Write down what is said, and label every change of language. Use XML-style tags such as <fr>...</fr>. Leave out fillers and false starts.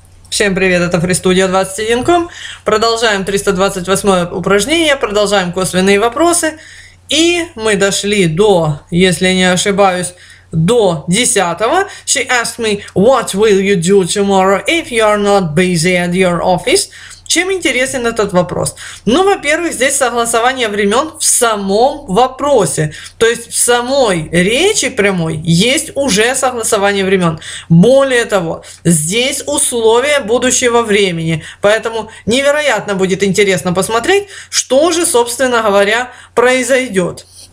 <ru>Всем привет, это Фристудия 21.com. Продолжаем 328 упражнение, продолжаем косвенные вопросы. И мы дошли до, если не ошибаюсь, до 10.</ru> <en>She asked me, what will you do tomorrow if you are not busy at your office?</en> <ru>Чем интересен этот вопрос? Ну, во-первых, здесь согласование времен в самом вопросе. То есть в самой речи прямой есть уже согласование времен. Более того, здесь условия будущего времени. Поэтому невероятно будет интересно посмотреть, что же, собственно говоря, произойдет.</ru>